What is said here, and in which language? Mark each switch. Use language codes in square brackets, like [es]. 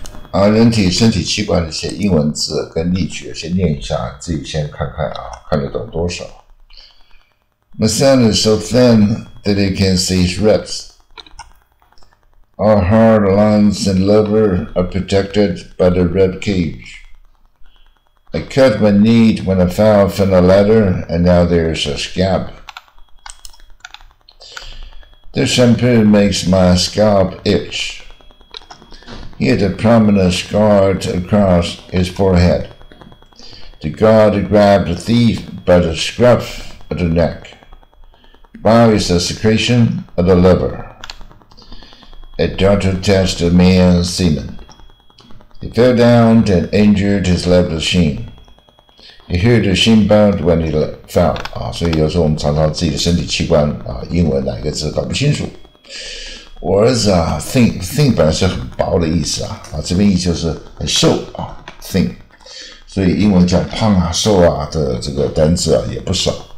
[zh] 啊，人体身体器官的一些英文字跟例句，先念一下，自己先看看啊，看得懂多少。 [en] My sand is so thin that it can see ribs. Our heart, lungs, and liver are protected by the rib cage. I cut my knee when I fell from the ladder, and now there's a scab. This shampoo makes my scalp itch. He had a prominent scar across his forehead. The guard grabbed the thief by the scruff of the neck. Bile is a secretion of the liver. A doctor tested the man's semen. He fell down and injured his left shin. He heard the shin bone when he fell. [zh] 啊，所以有时候我们常常自己的身体器官啊，英文哪一个字搞不清楚。 Words 啊，thin 本来是很薄的意思啊，啊，这边意思就是很瘦啊，thin，所以英文讲胖啊、瘦啊的这个单字啊也不少。